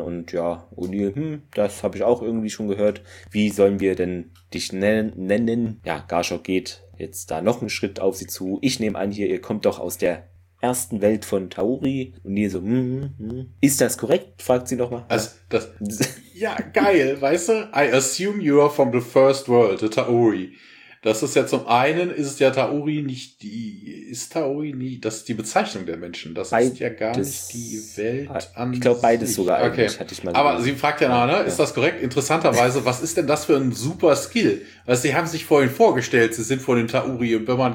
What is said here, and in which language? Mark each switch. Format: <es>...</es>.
<de>Und ja, O'Neill, das habe ich auch irgendwie schon gehört. Wie sollen wir denn dich nennen? Ja, Garshor geht jetzt da noch einen Schritt auf sie zu. Ich nehme an hier, ihr kommt doch aus der ersten Welt von Tauri. O'Neill so, ist das korrekt? Fragt sie nochmal. Also, das, ja, geil, weißt du?</de> <en>I assume you are from the first world, the Tauri.</en> <de>Das ist ja zum einen, ist ja Tauri nicht die, ist Tauri nie, das ist die Bezeichnung der Menschen. Das ist ja gar nicht die Welt an sich. Ich glaube beides sogar eigentlich, okay. Hatte ich mal gesagt. Aber sie fragt ja nachher, ist das korrekt? Interessanterweise, was ist denn das für ein super Skill? Weil sie haben sich vorhin vorgestellt, sie sind von den Tauri und wenn man</de>